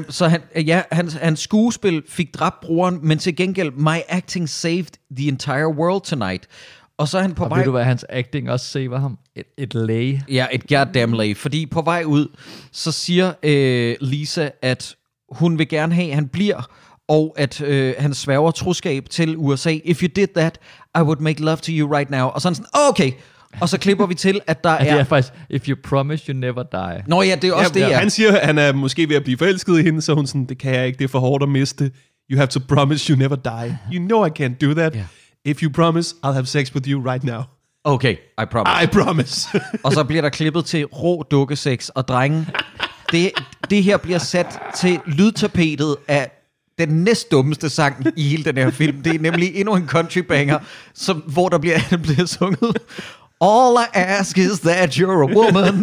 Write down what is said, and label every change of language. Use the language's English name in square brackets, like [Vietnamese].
[Danish] Så hans skuespil fik dræbt broren, men til gengæld, [English] my acting saved the entire world tonight. [Danish] Og så er han på og vej... Og ved du, hvad hans acting også saver ham? Et lay. Ja, et goddamn lay. Fordi på vej ud, så siger Lisa, at hun vil gerne have, at han bliver, og at han sværger troskab til USA. [English] If you did that, I would make love to you right now. [Danish] Og sådan, okay. Og så klipper vi til, at der er... Det er faktisk, [English] if you promise, you never die. [Danish] Nå ja, det er også det, ja. Han siger, at han er måske ved at blive forelsket i hende, så hun sådan, det kan jeg ikke, det er for hårdt at miste. [English] You have to promise, you never die. You know I can't do that. Yeah. If you promise, I'll have sex with you right now. Okay, I promise. I promise. [Danish] Og så bliver der klippet til rå dukkesex og drengen. Det her bliver sat til lydtapetet af den næst dummeste sang i hele den her film. Det er nemlig endnu en country banger, hvor der bliver sunget. [English] All I ask is that you're a woman.